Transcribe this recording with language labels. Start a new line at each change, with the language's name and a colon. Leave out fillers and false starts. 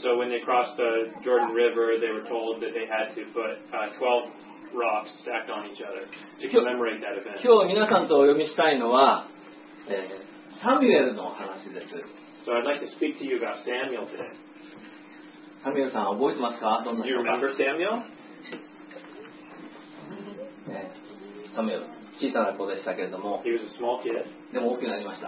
English: So when they crossed the Jordan River, they were told that they had to put 12 rocks stacked on each other to commemorate that event.
Japanese: 今日皆さんとお読みしたいのは、サミュエルの話です。
English: So I'd like to speak to you about Samuel today.
Japanese: サミュエルさん覚えてますか?
English: Do you remember Samuel?
Japanese: サミュエル、小さな子でしたけれども
English: He was a small kid.
Japanese: でも大きくなりました